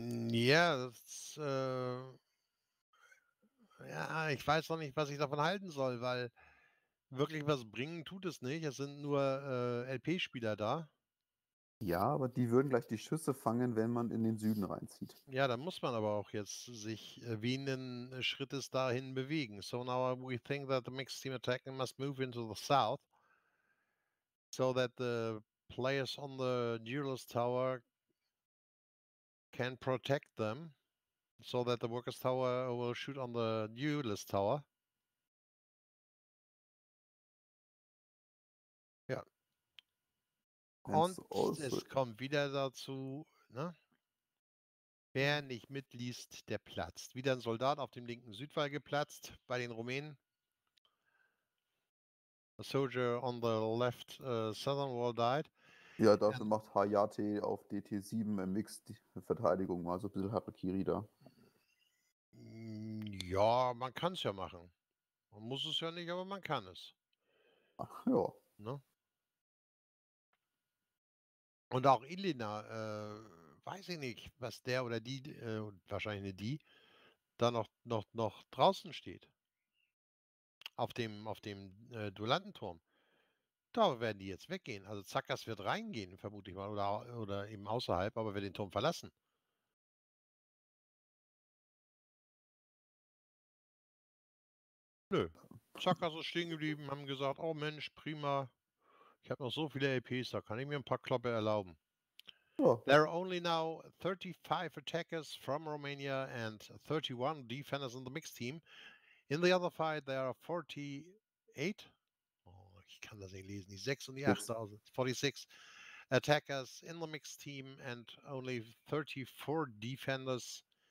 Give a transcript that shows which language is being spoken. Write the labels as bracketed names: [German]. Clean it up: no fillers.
[German] Ja, das ja, ich weiß noch nicht, was ich davon halten soll, weil wirklich was bringen tut es nicht. Es sind nur LP-Spieler da. Ja, aber die würden gleich die Schüsse fangen, wenn man in den Süden reinzieht. Ja, da muss man aber auch jetzt sich wie einen Schrittes dahin bewegen. [English] So now we think that the mixed team attacking must move into the south, so that the players on the duelist tower can protect them, so that the workers tower will shoot on the duelist tower. [German] Ja. Und es kommt wieder dazu, ne? Wer nicht mitliest, der platzt. Wieder ein Soldat auf dem linken Südwall geplatzt bei den Rumänen. [English] A soldier on the left southern wall died. [German] Ja, dafür macht Hayate auf DT7 Mixed Verteidigung mal so ein bisschen Harakiri da. Ja, man kann es ja machen. Man muss es ja nicht, aber man kann es. Ach ja. Ne? Und auch Ilina, weiß ich nicht, was der oder die, wahrscheinlich die, da noch draußen steht. auf dem Duellantenturm. Da werden die jetzt weggehen. Also Zackers wird reingehen, vermute ich mal, oder eben außerhalb, aber wird den Turm verlassen. Nö. Zackers ist stehen geblieben, haben gesagt, oh Mensch, prima. Ich habe noch so viele LPs, da kann ich mir ein paar Kloppe erlauben. Oh. [English] There are only now 35 attackers from Romania and 31 defenders in the mixed team. In the other fight there are 48. [German] Ich kann das nicht lesen. Die 6 und die 8, [English] 46 attackers in the mixed team and only 34 defenders.